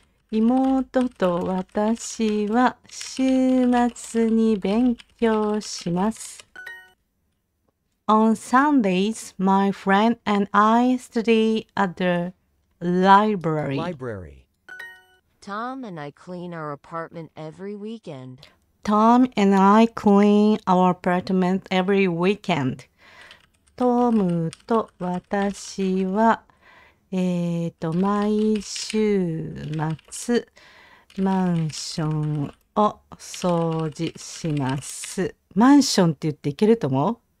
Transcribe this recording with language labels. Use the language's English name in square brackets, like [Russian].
[Japanese] 妹と私は週末に勉強します。 [English] On Sundays, my friend and I study at the library. Library. Tom and I clean our apartment every weekend. Tom and I clean our apartment every weekend. [Japanese] Tom と私は、毎週末マンションを掃除します。マンションって言っていけると思う?